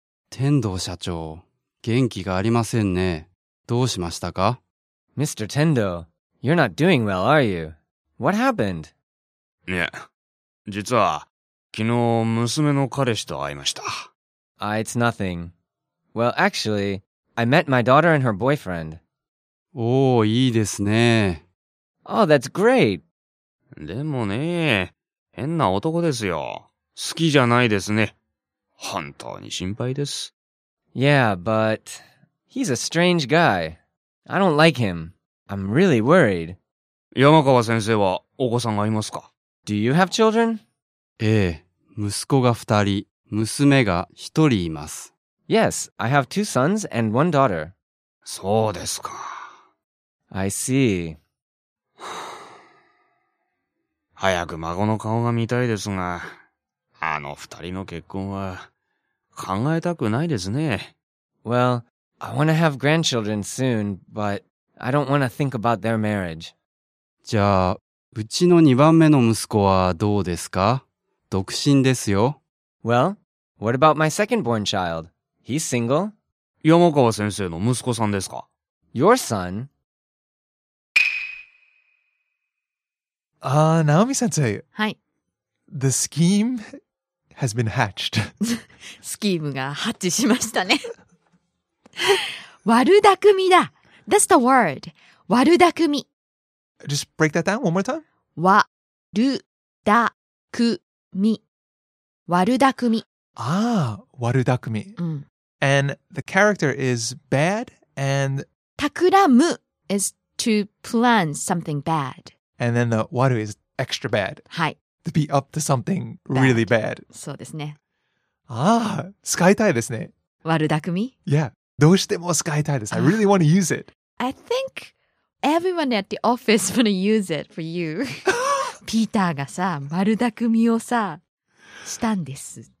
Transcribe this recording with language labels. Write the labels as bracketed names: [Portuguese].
[Japanese] 天道社長、元気がありませんね。どうしましたか? [English] Mr. Tendo, you're not doing well, are you? What happened? [Japanese] いや、実は、昨日娘の彼氏と会いました。 [English] It's nothing. Well, actually, I met my daughter and her boyfriend. [Japanese] おお、いいですね。 [English] Oh, that's great. [Japanese] でもね、変な男ですよ。好きじゃないですね。本当に心配です。 [English] Yeah, but he's a strange guy. I don't like him. I'm really worried. [Japanese] 山川先生はお子さんがいますか? [English] Do you have children? [Japanese] ええ、息子が二人、娘が一人います。 [English] Yes, I have two sons and one daughter. [Japanese] そうですか。 [English] I see. [Japanese] 早く孫の顔が見たいですが、あの二人の結婚は考えたくないですね。 [English] Well, I want to have grandchildren soon, but I don't want to think about their marriage. [Japanese] じゃあ、うちの二番目の息子はどうですか？独身ですよ。 [English] Well, what about my second born child? He's single. [Japanese] 山川先生の息子さんですか？ [English] Your son? Naomi sensei. Hi. The scheme has been hatched. [Japanese] Scheme が発生しましたね。悪だくみだ。 [English] That's the word. [Japanese] 悪だくみ。 [English] Just break that down one more time. [Japanese] 悪だくみ。悪だくみ。 [English] 悪だくみ。And the character is bad and... たくらむ is to plan something bad. And then the waru is extra bad. [Japanese] はい。 [English] To be up to something really bad. [Japanese] そうですね。使いたいですね。悪だくみ? [English] Yeah. [Japanese] どうしても使いたいです。 [English] I really want to use it. I think everyone at the office want to use it for you. [Japanese] ピーターがさ、悪だくみをさ、したんです。